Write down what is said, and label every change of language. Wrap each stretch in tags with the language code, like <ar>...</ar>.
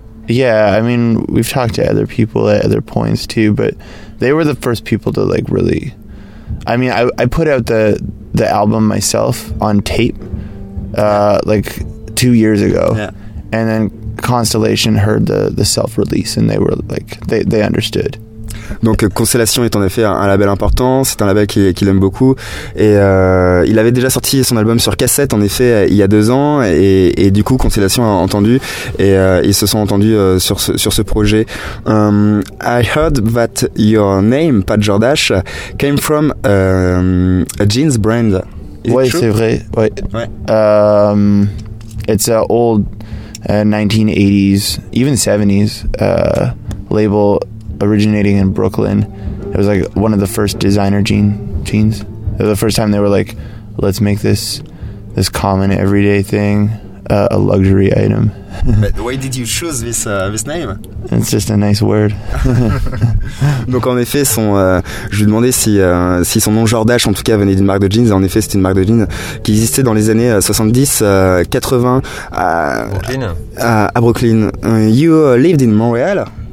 <en>Yeah, I mean, we've talked to other people at other points too, but they were the first people to like really. I mean, I put out the album myself on tape, like 2 years ago, and then Constellation heard the self release and they were like they understood.</en> <fr>Donc Constellation est en effet un label important, c'est un label qu'il aime beaucoup et il avait déjà sorti son album sur cassette en effet il y a 2 ans et du coup Constellation a entendu et ils se sont entendus sur ce projet.</fr> <en>I heard that your name, Pat Jardash, came from a jeans brand.</en> <fr>Oui, c'est vrai. Ouais.</fr> <en>It's an old 1980s, even 70s label originating in Brooklyn. It was like one of the first designer jeans. It was the first time they were like, let's make this common everyday thing a luxury item. But why did you choose this name? It's just a nice word.</en> <fr>Donc en effet, je lui demandais si son nom Jardash en tout cas venait d'une marque de jeans. Et en effet, c'était une marque de jeans qui existait dans les années 70, 80 à Brooklyn.</fr> <en>You lived in Montreal?</en>